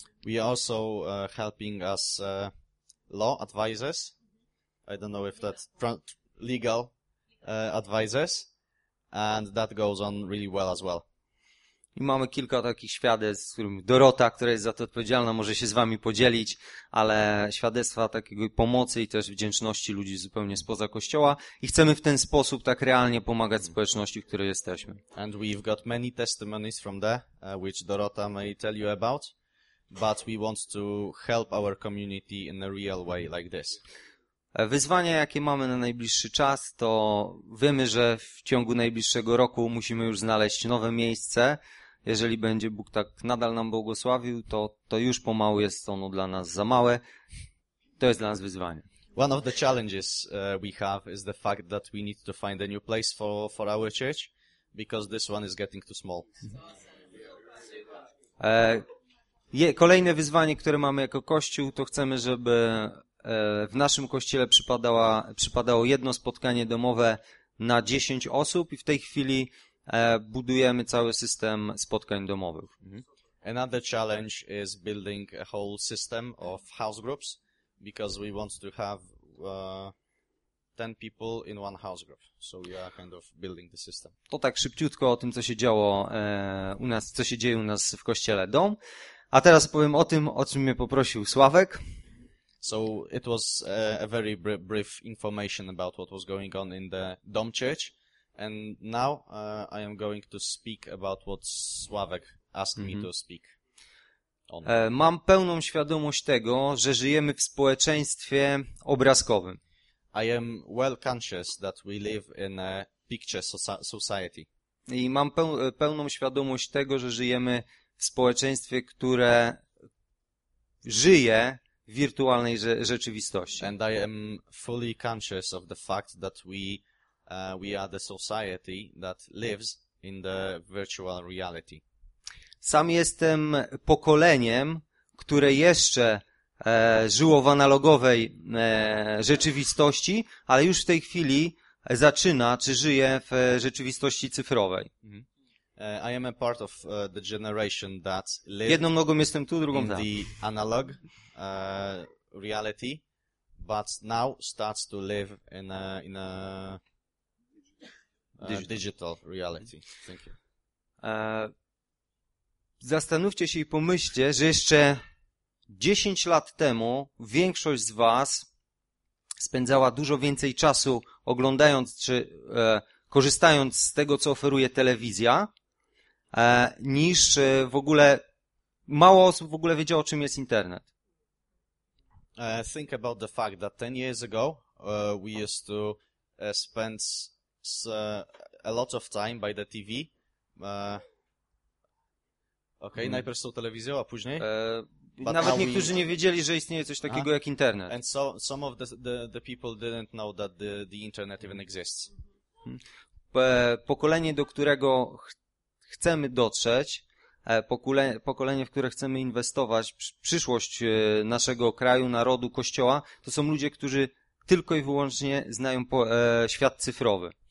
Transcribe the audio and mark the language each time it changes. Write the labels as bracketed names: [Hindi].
[English] We are also helping us law advisors. I don't know if that's legal advisors. And that goes on really well as well. [Polish] I mamy kilka takich świadectw, z którymi Dorota, która jest za to odpowiedzialna, może się z wami podzielić, ale świadectwa takiego pomocy i też wdzięczności ludzi zupełnie spoza kościoła i chcemy w ten sposób tak realnie pomagać społeczności, w której jesteśmy. [English] And we've got many testimonies from there, which Dorota may tell you about, but we want to help our community in a real way like this. [Polish] Wyzwania, jakie mamy na najbliższy czas, to wiemy, że w ciągu najbliższego roku musimy już znaleźć nowe miejsce. Jeżeli będzie Bóg tak nadal nam błogosławił, to już pomału jest ono dla nas za małe. To jest dla nas wyzwanie. [English] One of the challenges we have is the fact that we need to find a new place for our church, because this one is getting too small. [Polish] Kolejne wyzwanie, które mamy jako kościół, to chcemy, żeby w naszym kościele przypadało jedno spotkanie domowe na 10 osób i w tej chwili budujemy cały system spotkań domowych. [English] Another challenge is building a whole system of house groups, because we want to have 10 people in one house group. So we are kind of building the system. [Polish] To tak szybciutko o tym, co się dzieje u nas w kościele Dom. A teraz powiem o tym, o czym mnie poprosił Sławek. [English] So it was a very brief information about what was going on in the Dom Church. And now I am going to speak about what Sławek asked me to speak on. [Polish] Mam pełną świadomość tego, że żyjemy w społeczeństwie obrazkowym. [English] I am well conscious that we live in a picture society. [Polish] I mam pełną świadomość tego, że żyjemy w społeczeństwie, które żyje w wirtualnej rzeczywistości. [English] And I am fully conscious of the fact that we are the society that lives in the virtual reality. [Polish] Sam jestem pokoleniem, które jeszcze żyło w analogowej rzeczywistości, ale już w tej chwili zaczyna, czy żyje w rzeczywistości cyfrowej. [English] I am a part of the generation that lives. [Polish] Jedną nogą jestem tu, drugą tam. [English] The analog reality, but now starts to live in a digital reality. Thank you. [Polish] Zastanówcie się i pomyślcie, że jeszcze 10 lat temu większość z was spędzała dużo więcej czasu oglądając czy korzystając z tego, co oferuje telewizja, niż w ogóle mało osób w ogóle wiedziało, czym jest internet. [English] Think about the fact that 10 years ago we used to spend a lot of time by the TV. [Polish] Najpierw z tą telewizją, a później? [English] But [Polish] nawet niektórzy nie wiedzieli, że istnieje coś takiego jak internet. [English] And so some of the people didn't know that the internet even exists. [Polish] Pokolenie, do którego chcemy dotrzeć, pokolenie, w które chcemy inwestować, przyszłość naszego kraju, narodu, kościoła, to są ludzie, którzy tylko i wyłącznie znają świat cyfrowy.